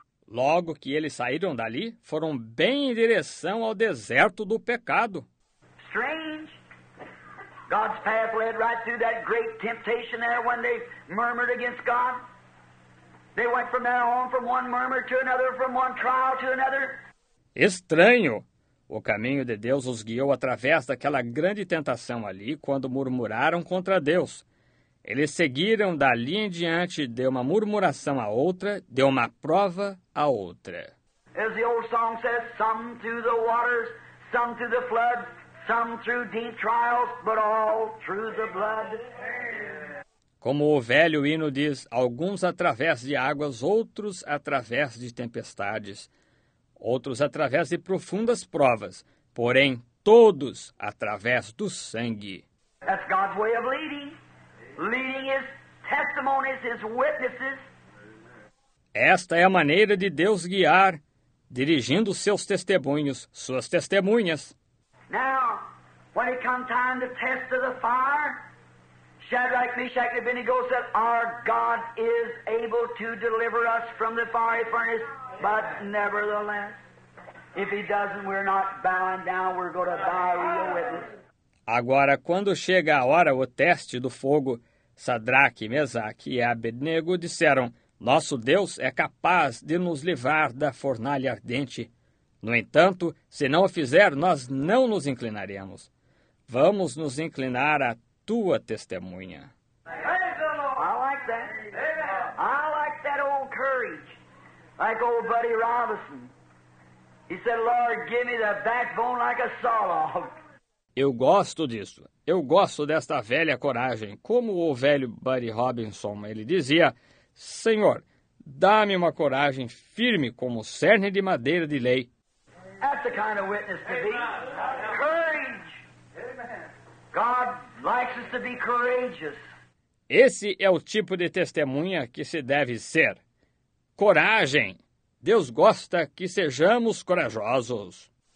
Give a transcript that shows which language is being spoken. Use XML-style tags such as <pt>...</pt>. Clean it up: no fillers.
<pt>Logo que eles saíram dali, foram bem em direção ao deserto do pecado.</pt> <en>Strange. God's path led right through that great temptation there when they murmured against God. They went from there on from one murmur to another, from one trial to another.</en> <pt>Estranho. O caminho de Deus os guiou através daquela grande tentação ali quando murmuraram contra Deus. Eles seguiram dali em diante de uma murmuração a outra, de uma prova a outra.</pt> <en>As the old song says, some through the waters, some through the flood. Some through deep trials, but all through the blood.</en> <pt>Como o velho hino diz, alguns através de águas, outros através de tempestades, outros através de profundas provas, porém todos através do sangue.</pt> <en>That's God's way of leading. Leading his testimonies, his witnesses.</en> <pt>Esta é a maneira de Deus guiar, dirigindo seus testemunhos, suas testemunhas.</pt> <en>Now, when it comes time to test of the fire, Shadrach, Meshach, and Abednego said, our God is able to deliver us from the fiery furnace, but nevertheless, if he doesn't, we're not bowing down, we're going to die real witness.</en> <pt>Agora, quando chega a hora, o teste do fogo, Shadrach, Meshach e Abednego disseram, nosso Deus é capaz de nos livrar da fornalha ardente. No entanto, se não o fizer, nós não nos inclinaremos. Vamos nos inclinar à tua testemunha.</pt> <en>I like that. I like that old courage. Like old Buddy Robinson. He said, Lord, give me the backbone like a sawlog.</en> <pt>Eu gosto disso. Eu gosto desta velha coragem. Como o velho Buddy Robinson, ele dizia, Senhor, dá-me uma coragem firme como cerne de madeira de lei.</pt> <en>That's the kind of witness to be. Courage. God likes us to be courageous.</en> <pt>Esse é o tipo de testemunha que se deve ser. Coragem. Deus gosta que sejamos corajosos.</pt>